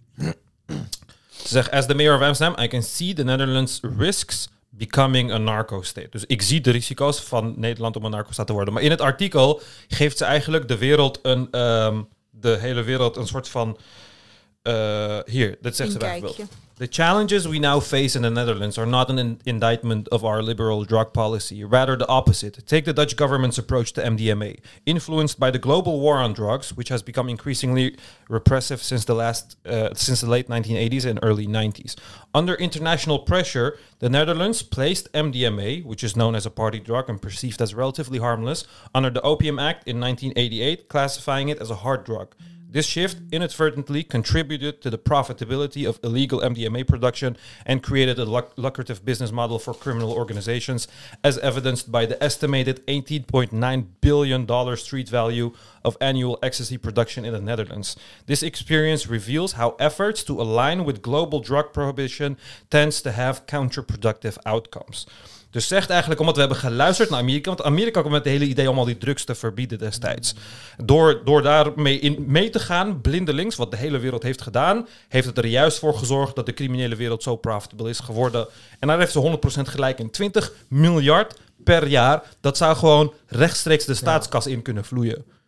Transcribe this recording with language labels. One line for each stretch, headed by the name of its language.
Dutch: Ze zegt,
English: as the mayor of Amsterdam, I can see the Netherlands risks becoming a narco state.
Dutch: Dus ik zie de risico's van Nederland om een narcostaat te worden. Maar in het artikel geeft ze eigenlijk de hele wereld een soort van... hier, dat zegt ze bijvoorbeeld.
English: The challenges we now face in the Netherlands are not an indictment of our liberal drug policy. Rather the opposite. Take the Dutch government's approach to MDMA. Influenced by the global war on drugs, which has become increasingly repressive since the late 1980s and early 90s. Under international pressure, the Netherlands placed MDMA, which is known as a party drug and perceived as relatively harmless, under the Opium Act in 1988, classifying it as a hard drug. This shift inadvertently contributed to the profitability of illegal MDMA production and created a lucrative business model for criminal organizations, as evidenced by the estimated $18.9 billion street value of annual ecstasy production in the Netherlands. This experience reveals how efforts to align with global drug prohibition tends to have counterproductive outcomes.
Dutch: Dus zegt eigenlijk, omdat we hebben geluisterd naar Amerika... want Amerika kwam met het hele idee om al die drugs te verbieden destijds. Door daarmee in mee te gaan, blindelings, wat de hele wereld heeft gedaan... heeft het er juist voor gezorgd dat de criminele wereld zo profitable is geworden. En daar heeft ze 100% gelijk in. 20 miljard per jaar, dat zou gewoon rechtstreeks de staatskas in kunnen vloeien.